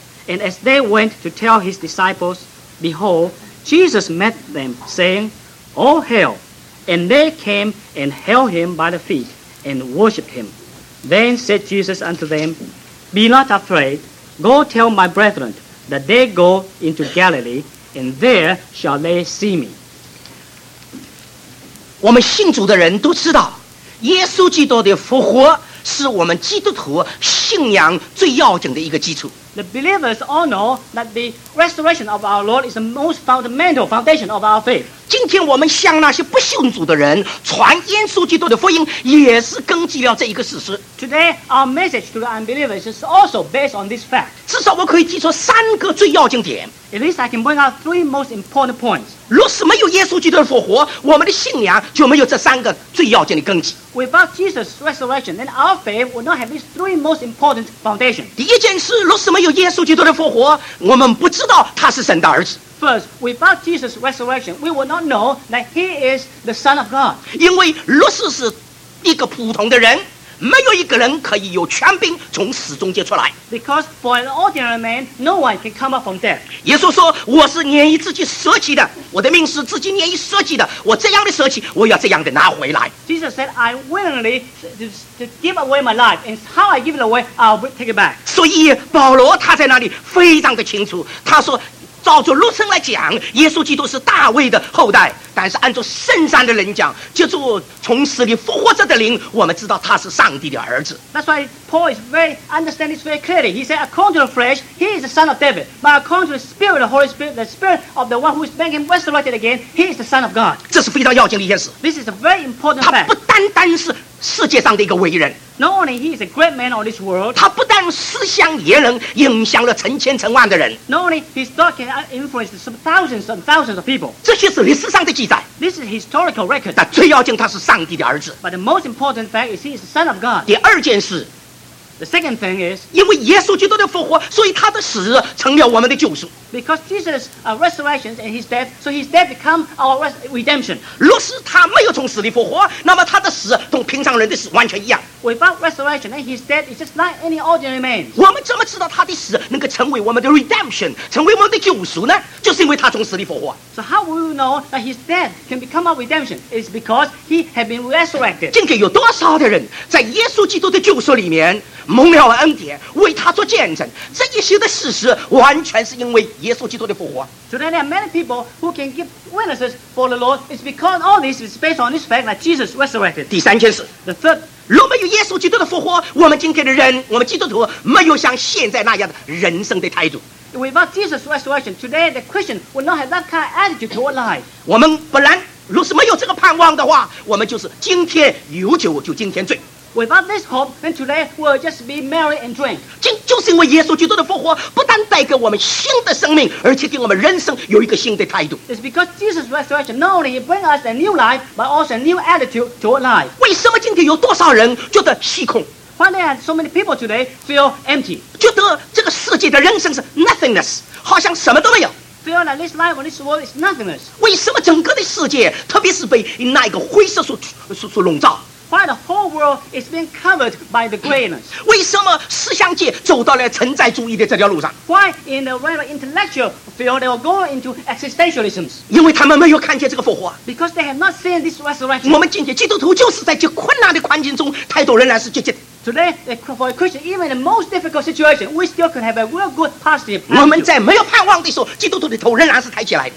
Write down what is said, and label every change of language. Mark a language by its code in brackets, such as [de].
[en] And as they went to tell his disciples, behold, Jesus met them, saying, All hail! And they came and held him by the feet and worshipped him. Then said Jesus unto them, Be not afraid. Go tell my brethren that they go into Galilee, and there shall they see me. [zh] 我们信主的人都知道，耶稣基督的复活是我们基督徒信仰最要紧的一个基础。 [en] The believers all know that the resurrection of our Lord is the most fundamental foundation of our faith. [zh] 今天我们向那些不信主的人传耶稣基督的福音，也是根据了这一个事实。 [en] Today, our message to the unbelievers is also based on this fact. [zh] 至少我可以记出三个最要紧点。 [en] At least I can bring out three most important points. [zh] 若是没有耶稣基督的复活，我们的信仰就没有这三个最要紧的根基。 [en] Without Jesus' resurrection, then our faith would not have these three most important foundations. [zh] 第一件事，若是没有耶稣基督的复活，我们不知道他是神的儿子。 [en] First, without Jesus' resurrection, we will not know that he is the Son of God. [zh] 因为若是是一个普通的人，没有一个人可以有权柄从死中间出来。 [en] Because for an ordinary man, no one can come up from death. [zh] 耶稣说，我是念以自己舍弃的，我的命是自己念以舍弃的，我这样的舍弃，我要这样的拿回来。 [en] Jesus said, I willingly to give away my life, and how I give it away, I'll take it back. [zh] 所以保罗他在那里非常的清楚，他说照着肉身来讲，耶稣基督是大卫的后代，但是按照圣山的人讲，就是从死里复活着的灵，我们知道他是上帝的儿子。 [en] That's why Paul is very understand this very clearly. He said, according to the flesh, he is the son of David, but according to the spirit, the Holy Spirit, the spirit of the one who is making him resurrected again, he is the son of God. [zh] 这是非常要紧的一件事。 [en] This is a very important fact. [zh] 他不单单是世界上的一个伟人。 [en] Not only he is a great man on this world. [zh] 他不但思想也能影响了成千成万的人。 [en] Not only his thought can influence thousands and thousands of people. [zh] 这些是历史上的记载。 [en] This is historical record. [zh] 但最要紧，他是上帝的儿子。 [en] But the most important fact is he is the son of God. [zh] 第二件事。 [en] The second thing is, [zh] 因为耶稣基督的复活，所以他的死成了我们的救赎。 [en] Because Jesus resurrection and his death, so his death become our redemption. [zh] 若是他没有从死里复活，那么他的死同平常人的死完全一样。 [en] Without resurrection, then his death is just like any ordinary man. [zh] 我们怎么知道他的死能够成为我们的 redemption, 成为我们的救赎呢？就是因为他从死里复活。 [en] So how will you know that his death can become our redemption? It's because he had been resurrected. [zh] 今天有多少的人在耶稣基督的救赎里面蒙了恩典，为他做见证，这一些的事实完全是因为耶稣基督的复活。 [en] Today there are many people who can give witnesses for the Lord. It's because all this is based on this fact that Jesus resurrected. [zh] 第三件事。 [en] The third. [zh] 若没有耶稣基督的复活，我们今天的人，我们基督徒没有像现在那样的人生的态度。 [en] Without Jesus' resurrection, today the Christian would not have that kind of attitude toward life. [zh] 我们本来若是没有这个盼望的话，我们就是今天有酒就今天醉。 [en] Without this hope, then today we'll just be merry and drink. [zh] 就是因为耶稣基督的复活不但带给我们新的生命，而且给我们人生有一个新的态度。 [en] It's because Jesus' resurrection not only brings us a new life, but also a new attitude toward life. [zh] 为什么今天有多少人觉得虚空？ [en] Why there are so many people today feel empty? [zh] 觉得这个世界的人生是 nothingness, 好像什么都没有。 [en] Feel that this life and this world is nothingness. [zh] 为什么整个的世界，特别是被那一个灰色所笼罩？ [en] Why the whole world is being covered by the grayness? [zh] 为什么思想界走到了存在主义的这条路上？ [en] Why in the realm of intellectual field they will go into existentialism? [zh] 因为他们没有看见这个复活。 [en] Because they have not seen this resurrection. [zh] 我们今天基督徒就是在这困难的环境中，态度仍然是积极的。 [en] Today, for a Christian, even in the most difficult situation, we still can have a real good positive attitude. [zh] 我们在没有盼望的时候，基督徒的头仍然是抬起来。